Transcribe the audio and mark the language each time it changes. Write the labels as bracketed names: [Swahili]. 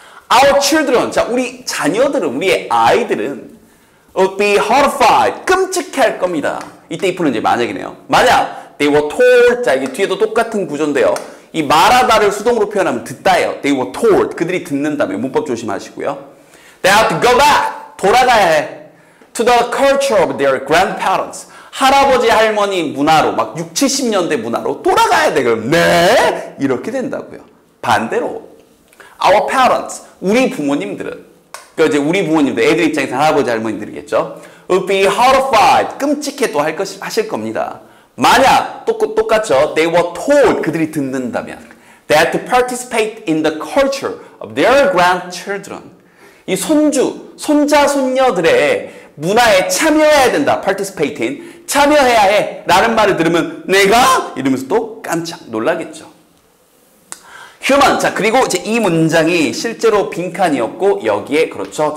[English] Our children, [Korean] 자 우리 자녀들은, 우리의 아이들은 [English] would be horrified, [Korean] 끔찍해할 겁니다. 이때 if는 이제 만약이네요. 만약 [English] they were told, [Korean] 자 이게 뒤에도 똑같은 구조인데요. 이 말하다를 수동으로 표현하면 듣다예요. [English] They were told. [Korean] 그들이 듣는다면 문법 조심하시고요. [English] They have to go back. [Korean] 돌아가야 해. [English] To the culture of their grandparents. [Korean] 할아버지 할머니 문화로 막 60, 70년대 문화로 돌아가야 돼. 그럼 네? 이렇게 된다고요. 반대로 [English] our parents. [Korean] 우리 부모님들은 그러니까 이제 우리 부모님들 애들 입장에서 할아버지 할머니들이겠죠. [English] Would be horrified. [Korean] 끔찍해 또 하실 겁니다. 만약 똑같죠. [English] They were told, [Korean] 그들이 듣는다면. [English] They had to participate in the culture of their grandchildren. [Korean] 이 손주, 손자, 손녀들의 문화에 참여해야 된다. [English] Participate in, [Korean] 참여해야 해. 라는 말을 들으면 내가? 이러면서 또 깜짝 놀라겠죠. Human, 자 그리고 이제 이 문장이 실제로 빈칸이었고 여기에 그렇죠.